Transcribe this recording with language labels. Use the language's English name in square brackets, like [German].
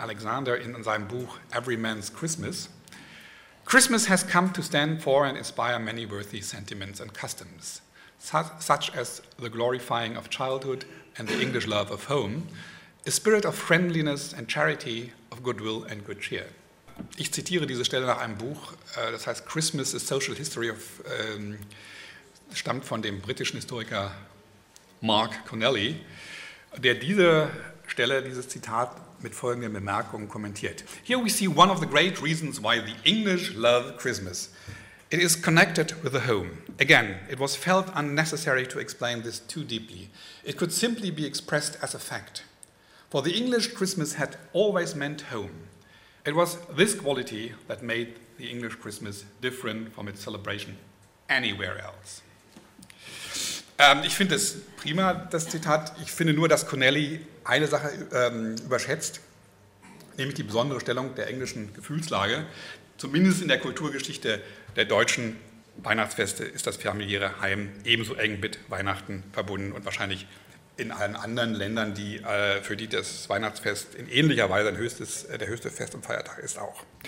[English] Alexander [German] in seinem Buch [English] Every Man's Christmas, Christmas has come to stand for and inspire many worthy sentiments and customs, such as the glorifying of childhood and the English love of home, a spirit of friendliness and charity, of goodwill and good cheer. [German] Ich zitiere diese Stelle nach einem Buch, das heißt Christmas, a Social History of, stammt von dem britischen Historiker Mark Connelly, der diese Stelle, dieses Zitat mit folgenden Bemerkungen kommentiert. [English] Here we see one of the great reasons why the English love Christmas. It is connected with the home. Again, it was felt unnecessary to explain this too deeply. It could simply be expressed as a fact. For the English, Christmas had always meant home. It was this quality that made the English Christmas different from its celebration anywhere else. [German] Ich finde es prima, das Zitat. Ich finde nur, dass Connelly eine Sache überschätzt, nämlich die besondere Stellung der englischen Gefühlslage. Zumindest in der Kulturgeschichte der deutschen Weihnachtsfeste ist das familiäre Heim ebenso eng mit Weihnachten verbunden und wahrscheinlich in allen anderen Ländern, die, für die das Weihnachtsfest in ähnlicher Weise der höchste Fest- und Feiertag ist auch.